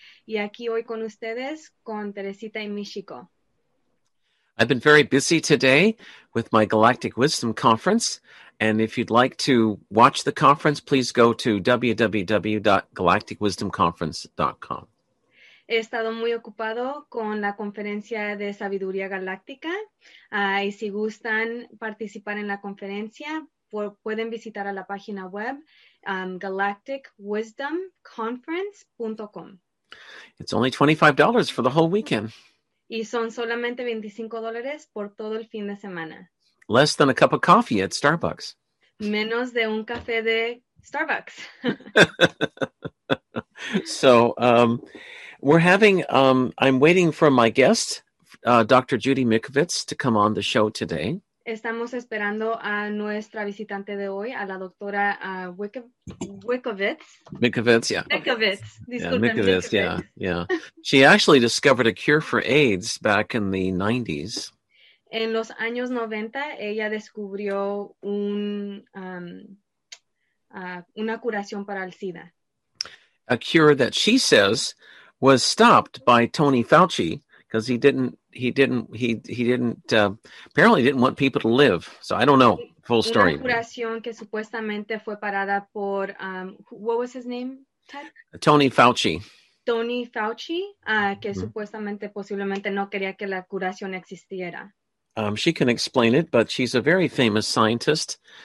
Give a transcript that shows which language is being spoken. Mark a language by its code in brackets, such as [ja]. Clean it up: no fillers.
[es] Y aquí hoy con ustedes, con Teresita y Michiko. [en] I've been very busy today with my Galactic Wisdom Conference. And if you'd like to watch the conference, please go to www.galacticwisdomconference.com. [es] He estado muy ocupado con la conferencia de sabiduría galáctica. Y si gustan participar en la conferencia, pueden visitar a la página web galacticwisdomconference.com. [en] It's only $25 for the whole weekend. [es] Y son solamente $25 por todo el fin de semana. [en] Less than a cup of coffee at Starbucks. [es] Menos de un café de Starbucks. [en] I'm waiting for my guest, Dr. Judy Mikovits, to come on the show today. [es] Estamos esperando a nuestra visitante de hoy, a la doctora Mikovits. [en] Mikovits, yeah. [es] Mikovits. Disculpen, [en] yeah, Mikovits, yeah, yeah. She actually discovered a cure for AIDS back in the 90s. [es] En los años 90, ella descubrió una curación para el SIDA. [en] A cure that she says was stopped by Tony Fauci because he apparently didn't want people to live. So I don't know full story. [es] Una curación que supuestamente fue parada por [en] what was his name? Ted? Tony Fauci. [es] Tony Fauci, que supuestamente posiblemente no quería que la curación existiera. [en] She can explain it, but she's a very famous scientist.